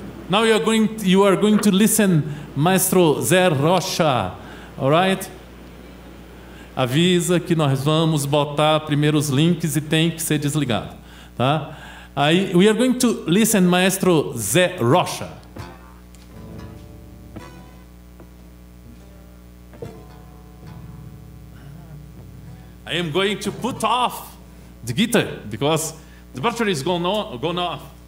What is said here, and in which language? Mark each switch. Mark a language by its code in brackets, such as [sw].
[en] Now you are going to listen, Maestro Zé Rocha. Alright? [pt] Avisa que nós vamos botar primeiro os links e tem que ser desligado. Tá? [en] Aí, we are going to listen, Maestro Zé Rocha. I am going to put off the guitar, because the battery is gone off.